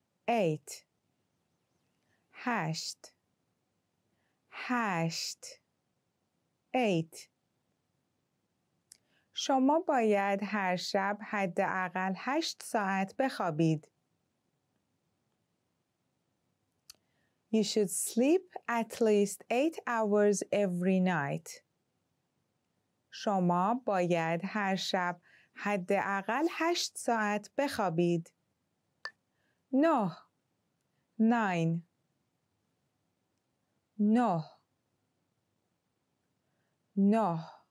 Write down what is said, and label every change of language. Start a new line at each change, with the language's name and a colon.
English: Eight.
Persian: هشت. هشت.
English: Eight.
Persian: شما باید هر شب حداقل 8 ساعت بخوابید.
English: You should sleep at least 8 hours every night.
Persian: شما باید هر شب حداقل 8 ساعت بخوابید. نه.
English: Nine.
Persian: نه. نه.